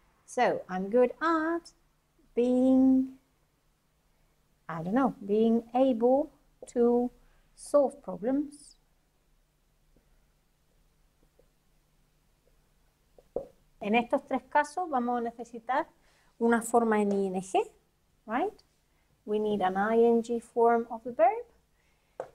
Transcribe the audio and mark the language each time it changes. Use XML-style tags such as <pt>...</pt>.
<en>So, I'm good at being, I don't know, being able to solve problems.</en> <es>En estos tres casos vamos a necesitar una forma en ING,</es> <en>right? We need an ING form of the verb.</en>